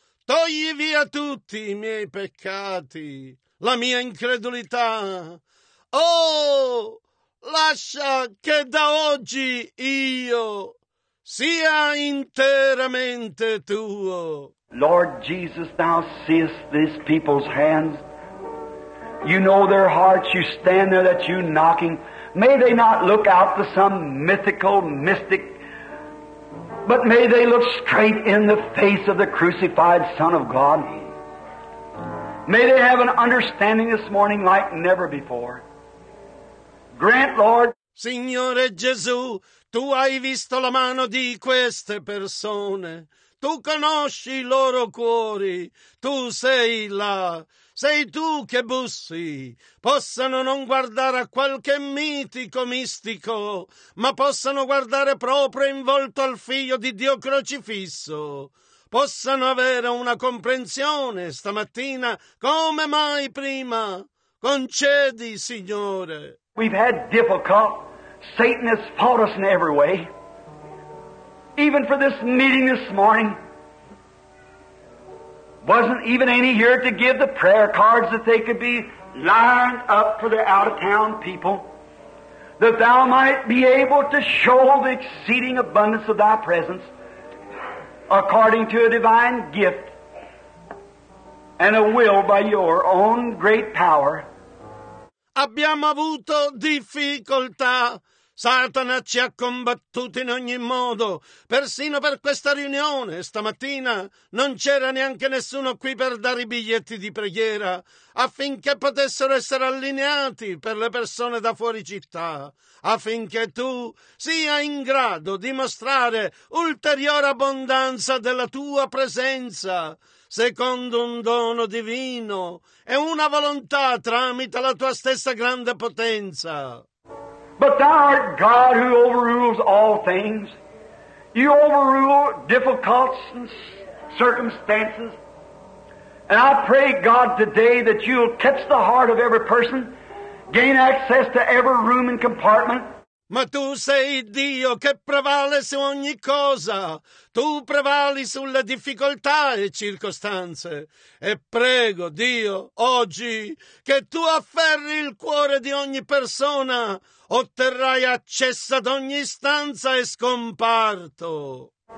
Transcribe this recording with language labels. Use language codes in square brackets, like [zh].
[it] Togli via tutti i miei peccati, la mia incredulità. Oh, lascia che da oggi io sia interamente Tuo. [en] Lord Jesus, Thou seest this people's hands. You know their hearts. You stand there at You knocking. May they not look out to some mythical, mystic, but may they look straight in the face of the crucified Son of God. May they have an understanding this morning like never before. Grant, Lord. [it] Signore Gesù, Tu hai visto la mano di queste persone. Tu conosci i loro cuori. Tu sei là. Sei Tu che bussi. Possano non guardare a qualche mitico mistico, ma possano guardare proprio in volto al Figlio di Dio crocifisso. Possano avere una comprensione stamattina come mai prima. Concedi, Signore. [en] We've had difficult. Satan has fought us in every way. Even for this meeting this morning, wasn't even any here to give the prayer cards that they could be lined up for the out-of-town people, that Thou might be able to show the exceeding abundance of Thy presence according to a divine gift and a will by Your own great power. [it] Abbiamo avuto difficoltà, Satana ci ha combattuti in ogni modo, persino per questa riunione. Stamattina non c'era neanche nessuno qui per dare i biglietti di preghiera affinché potessero essere allineati per le persone da fuori città, affinché tu sia in grado di mostrare ulteriore abbondanza della tua presenza secondo un dono divino e una volontà tramite la tua stessa grande potenza. [en] But thou art God who overrules all things. You overrule difficult circumstances. And I pray, God, today that you'll catch the heart of every person, gain access to every room and compartment. [it] Ma tu sei Dio che prevale su ogni cosa. Tu prevali sulle difficoltà e circostanze. E prego, Dio, oggi, che tu afferri il cuore di ogni persona. Otterrai accesso ad ogni stanza e scomparto.